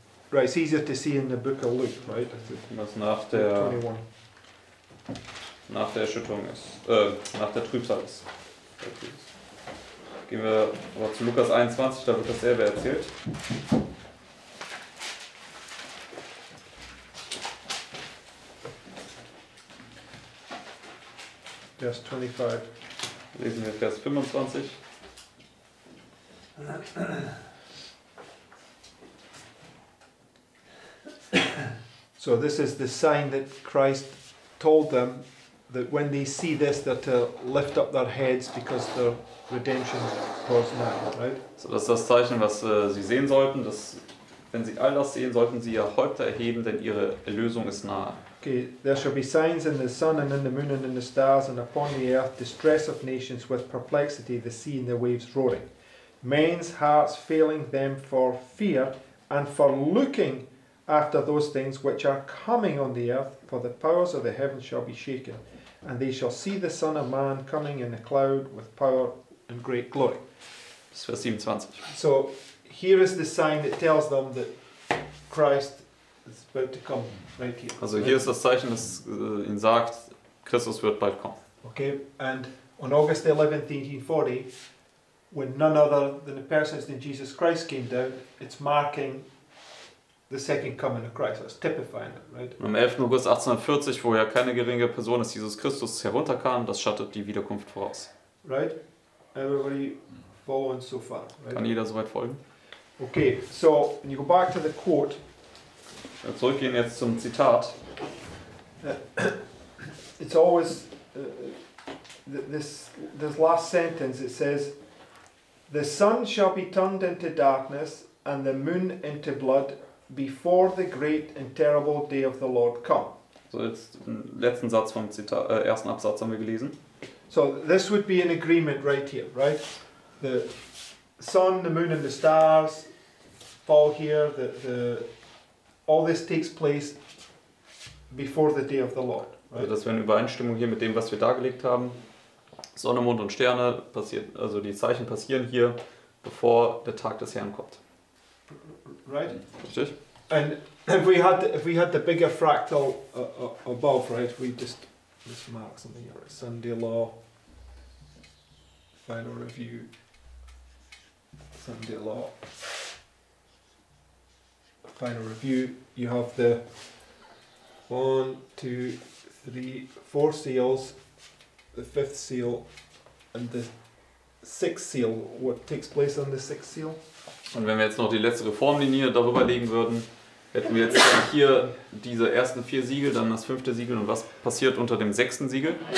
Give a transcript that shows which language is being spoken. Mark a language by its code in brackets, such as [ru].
[en] Right, it's easier to see in the book of Luke, right? [de] Was nach der 21. Nach der Erschütterung ist, nach der Trübsal ist. Okay. Gehen wir aber zu Lukas 21, da wird dasselbe erzählt. Vers 25. Lesen wir Vers 25. [en] So, this is the sign that Christ told them that when they see this, they're to lift up their heads because their redemption draws nigh, right? [de] So, das ist das Zeichen, was sie sehen sollten, dass wenn sie all das sehen, sollten sie ihr Häupter erheben, denn ihre Erlösung ist nahe. [en] Okay, there shall be signs in the sun and in the moon and in the stars and upon the earth, distress of nations with perplexity, the sea and the waves roaring. Men's hearts failing them for fear and for looking after those things which are coming on the earth, for the powers of the heavens shall be shaken, and they shall see the Son of Man coming in a cloud with power and great glory. [de] Vers 27. [en] So here is the sign that tells them that Christ is about to come. Right here. [de] Also hier ist das Zeichen, das ihn sagt, Christus wird bald kommen. [en] Okay, and on August 11th, 1840, when none other than the person than Jesus Christ came down, it's marking the second coming of Christ. It's typifying it, right? [de] Und am 11. August 1840, wo ja keine geringe Person ist, Jesus Christus, herunterkam, das schattet die Wiederkunft voraus. [en] Right? Everybody following so far, right? [de] Kann jeder soweit folgen? [en] Okay, so when you go back to the quote, [de] zurückgehen jetzt zum Zitat. [en] It's always this last sentence. It says, "The sun shall be turned into darkness and the moon into blood before the great and terrible day of the Lord come." [de] So jetzt den letzten Satz vom Zitat, ersten Absatz haben wir gelesen. [en] So this would be an agreement right here, right? The sun, the moon, and the stars fall here. All this takes place before the day of the Lord. Right? [de] Also das wäre eine Übereinstimmung hier mit dem, was wir dargelegt haben. Sonne, Mond und Sterne passiert, also die Zeichen passieren hier, bevor der Tag des Herrn kommt. [en] Right? [de] Richtig. [en] And if we had the bigger fractal above, right? We just this mark something here. Sunday law, final review, Sunday law. Final review, you have the 1, 2, 3, 4 seals, the fifth seal And the sixth seal, what takes place on the sixth seal? [de] Und wenn wir jetzt noch die letzte Reformlinie darüber legen würden, hätten wir jetzt hier diese ersten vier Siegel, dann das fünfte Siegel und was passiert unter dem sechsten Siegel?